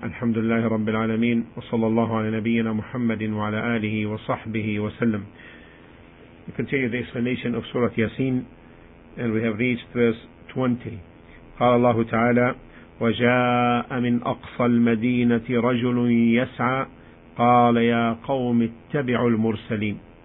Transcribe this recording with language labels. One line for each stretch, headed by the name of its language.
Arabic: الحمد لله رب العالمين، وصلى الله على نبينا محمد وعلى آله وصحبه وسلم.
English: We continue the explanation of Surah Yasin, and we have reached verse 20.
Arabic: قال الله تعالى وجاء من أقصى المدينة رجل يسعى قال يا قوم اتبعوا المرسلين.